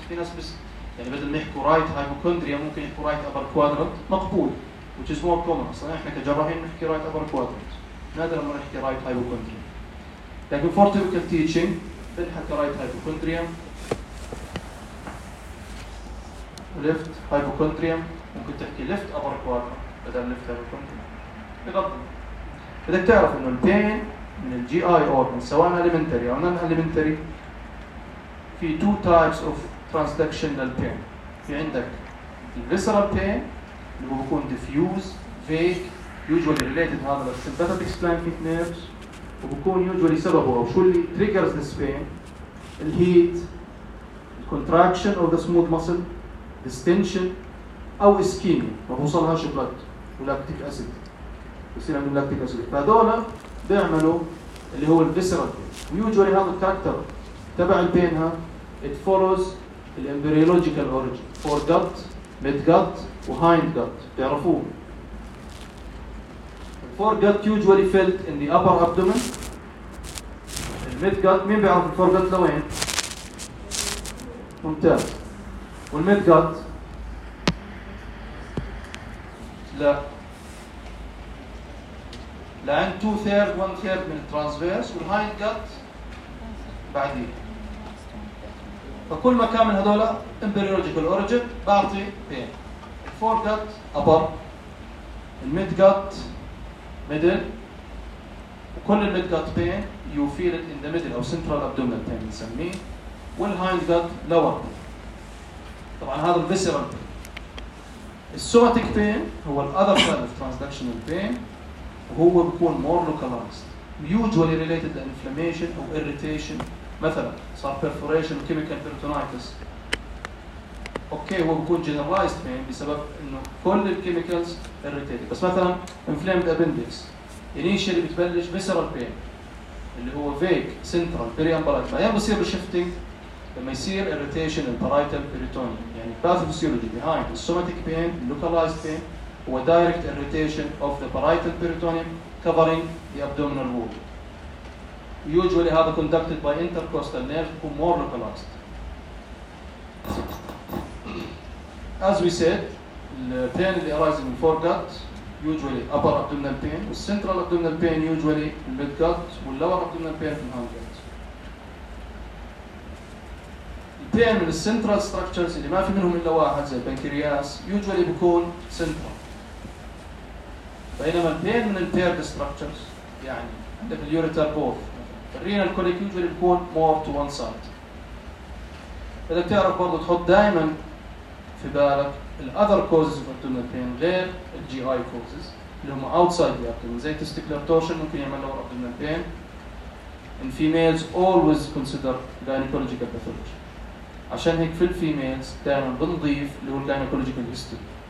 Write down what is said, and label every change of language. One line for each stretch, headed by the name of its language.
Arabic: في ناس بس يعني بدل ما يحكوا رايت هايبوكوندريا ممكن يحكوا رايت أبر كوادرنت, مقبول,
English: which is more common.
Arabic: أصلا إحنا كجراحين نحكي رايت أبر كوادرنت, نادر ما نحكي رايت هايبوكوندريا. لكن for typical teaching بنحكي رايت هايبوكوندريا, ليفت هايبوكوندريا, ممكن تحكي left upper quadrant بدل left upper quadrant. بدك تعرف انه البين من الجي اي اوربن سواء elementary او non elementary في two types of transductional pain.
English: في عندك visceral pain اللي هو بكون diffuse, vague, usually related هذا للsympathetic splanchnic nerves, وبكون usually سببه او شو اللي triggers this pain, الheat, contraction of the smooth muscle, distension, او ischemia ما بوصلها شو blood, lactic acid, بصير عنده lactic acid.
Arabic: فهذولا بيعملوا اللي هو visceral pain.
English: usually
Arabic: هذا الكاركتر تبع البينها
English: it follows the embryological origin for gut, mid gut, hind gut.
Arabic: تعرفوه.
English: The foregut usually felt in the upper abdomen. The mid gut, مين بيعرف the foregut لوين؟ ممتاز.
Arabic: وال mid gut لا. لعند 2/3, 1/3 من transverse, والhind gut بعدين. فكل ما كان من هذولا embryological origin بعطي pain.
English: Fore gut upper, mid gut middle, وكل mid gut pain you feel it in the middle أو central abdominal pain نسميه, والhind gut lower.
Arabic: طبعا هذا visceral pain.
English: Somatic pain هو the other side of transductional pain,
Arabic: وهو بيكون
English: more localized, usually related to inflammation أو irritation. مثلا صار perforation, chemical peritonitis.
Arabic: اوكي هو بيكون generalized pain بسبب انه كل الكيميكالز irritated.
English: بس مثلا inflamed appendix initially بتبلش visceral pain اللي هو vague, central, periambolic. بعدين بصير shifting لما يصير irritation in parietal peritoneum. يعني pathophysiology behind the somatic pain, localized pain, هو direct irritation of the parietal peritoneum covering the abdominal wall. Usually هذا conducted by intercostal nerve who more localized. As we said, the pain اللي arising in foregut usually upper abdominal pain, the central abdominal pain usually in midgut, the lower abdominal pain in hindgut.
Arabic: The pain من the central structures اللي ما في منهم إلا واحد زي البنكرياس usually بكون central.
English: بينما pain من impaired structures يعني عندك the ureter both renal colic usually بكون more to one side.
Arabic: إذا بتعرف برضو تحط دائما في بالك الـ other causes of abdominal pain غير الـ GI causes اللي هم outside the abdomen زي testicular torsion ممكن يعمل لور abdominal pain.
English: In females always consider gynecological pathology.
Arabic: عشان هيك في الـ females دائما بنضيف اللي هو الـ gynecological history.